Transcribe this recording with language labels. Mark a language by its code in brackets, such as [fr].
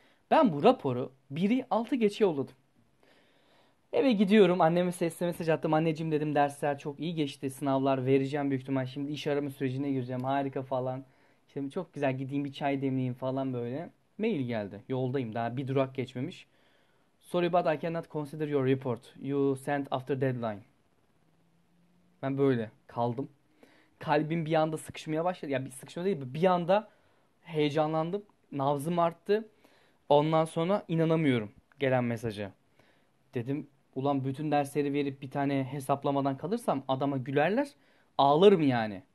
[tr] Ben bu raporu 1'i 6 geçe yolladım. Eve gidiyorum anneme sesli mesaj attım. Anneciğim dedim dersler çok iyi geçti sınavlar vereceğim büyük ihtimal. Şimdi iş arama sürecine gireceğim harika falan. Şimdi çok güzel gideyim bir çay demleyeyim falan böyle. Mail geldi yoldayım daha bir durak geçmemiş. [en] Sorry but I cannot consider your report. You sent after deadline. [tr] Ben böyle kaldım. Kalbim bir anda sıkışmaya başladı. Ya yani bir sıkışma değil, bir anda heyecanlandım. Nabzım arttı. Ondan sonra inanamıyorum gelen mesajı. Dedim ulan bütün dersleri verip bir tane hesaplamadan kalırsam adama gülerler. Ağlarım yani.